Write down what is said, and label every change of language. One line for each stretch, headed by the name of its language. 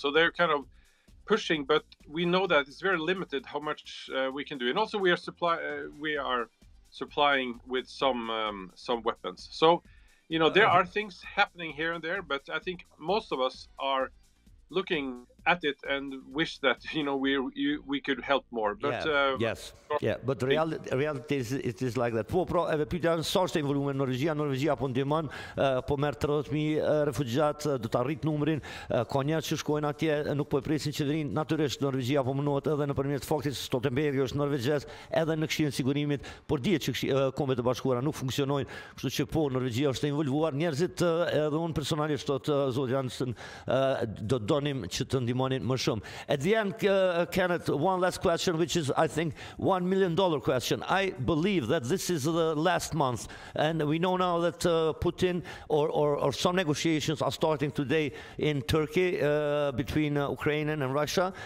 English: So they're kind of pushing, but we know that it's very limited how much we can do. And also we are supplying with some weapons. So, you know, there are things happening here and there, but I think most of us are looking at it and wish that, you know, we could help more. But But reality is, it is like that.
Albanian: Po, pra, edhe pyetja është, sa është involvimi në Norvegji? Norvegjia po ndihmon, po merr 30,000 refugjat, do të arrit numrin. Ka njerëz që shkojnë atje, nuk po e presin qeverinë. Natyrisht Norvegjia po mundohet edhe nëpërmjet faktit se Stoltenbergi është norvegjez, edhe në Këshillin e Sigurimit, por dihet që Kombet e Bashkuara nuk funksionojnë, kështu që po, Norvegjia është e involvuar. Njerëzit, edhe unë personalisht, zotë Janssen, do donim që të ndihmojmë money më shumë.
English: At the end, Kenneth, one last question, which is, I think, $1 million question. I believe that this is the last month, and we know now that Putin or some negotiations are starting today in Turkey between Ukraine and Russia.